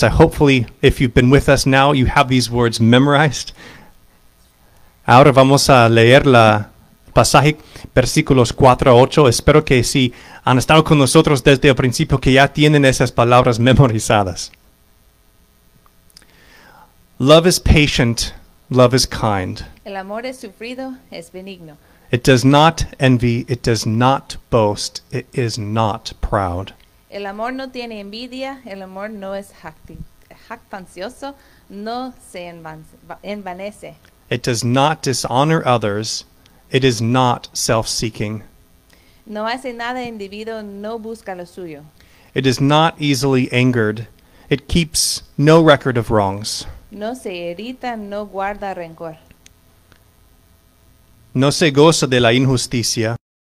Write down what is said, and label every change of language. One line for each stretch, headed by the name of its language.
English: Hopefully, if you've been with us now, you have these words memorized.
Spanish: Ahora vamos a leer la pasaje, versículos 4 a 8. Espero que si han estado con nosotros desde el principio, que ya tienen esas palabras memorizadas.
English: Love is patient, love is kind.
Spanish: El amor es sufrido, es benigno.
English: It does not envy, it does not boast, it is not proud.
Spanish: El amor no tiene envidia, el amor no es jactancioso, no se envanece.
English: It does not dishonor others, it is not self-seeking.
Spanish: No hace nada indebido, no busca lo suyo.
English: It is not easily angered, it keeps no record of wrongs.
Spanish: No se irrita, no guarda rencor. No se goza de la injusticia.